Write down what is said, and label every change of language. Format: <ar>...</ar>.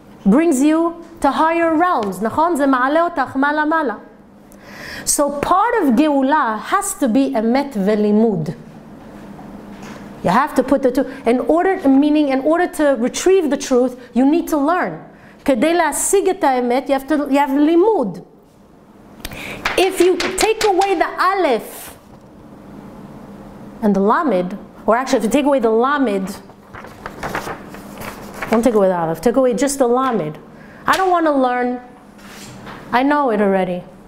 <en>Brings you to higher realms.</en> <he>נכון? זה מעלה אותך מעלה מעלה.</he> <en>So part of geula has to be emet ולימוד. You have to put the two. In order to retrieve the truth, you need to learn.</en> <he>כדי להשיג את האמת,</he> <en>you have</en> <he>לימוד.</he> <en>If you take away the aleph and the lamed, or actually if you take away the lamed, don't take away the aleph, take away just the lamed. I don't want to learn. I know it already.</en>